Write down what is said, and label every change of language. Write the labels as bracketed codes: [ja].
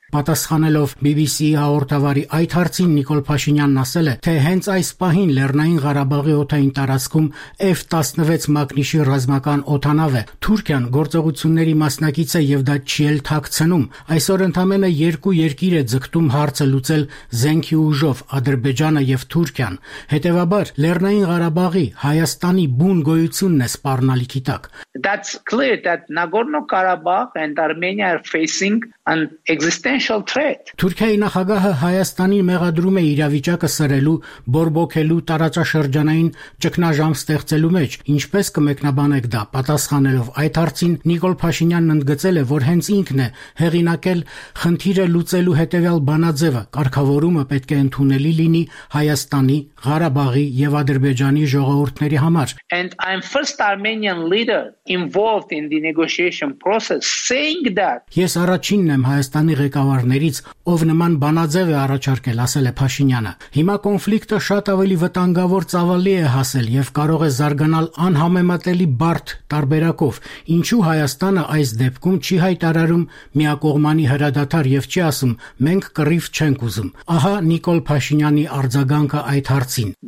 [hy] Պատասխանելով BBC-ի հաղորդավարի այդ հարցին, Նիկոլ Փաշինյանն ասել է, թե հենց այս պահին Լեռնային Ղարաբաղի օթային տարածքում F-16 մագնիշի ռազմական օթանավ է, Թուրքիան գործողությունների մասնակից է եւ դա չի էլ թաքցնում։ Այսօր ընդամենը 2 երկիր է ձգտում հարցը լուծել զենքի ուժով, Ադրբեջանը եւ Թուրքիան։ Հետևաբար Լեռնային Ղարաբաղի Հայաստանի բուն գոյությունն է սպառնալիքի տակ։ [en] That's clear that Nagorno-Karabakh and Armenia are facing an existential threat. [hy] Թուրքիայի նախագահը Հայաստանի մեղադրում է իրավիճակը սրելու, բորբոքելու, տարածաշրջանային ճգնաժամ ստեղծելու մեջ։ Ինչպես կմեկնաբանեք դա, պատասխանելով այդ հարցին, Նիկոլ Փաշինյանն ընդգծել է, որ հենց ինքն է հեղինակել խնդիրը լուծելու հետևյալ բանաձևը, կարգավորումը պետք է ընդունելի լինի Հայաստանի, Ղարաբաղի եւ Ադրբեջանի ժողովուրդների համար։ [en] And I'm first Armenian leader involved in the negotiation process saying that. [hy] Ես առաջինն եմ Հայաստանի ղեկավարներից, ով նման բանաձև է առաջարկել, ասել է Փաշինյանը։ Հիմա կոնֆլիկտը շատ ավելի վտանգավոր ծավալի է հասել եւ կարող է զարգանալ անհամեմատելի բարդ տարբերակով։ Ինչու Հայաստանը այս դեպքում չի հայտարարում միակողմանի հրադադար եւ չի ասում, մենք կռիվ չենք ուզում։ Ահա Նիկոլ Փաշինյանի արձագանքը այդ հարցին.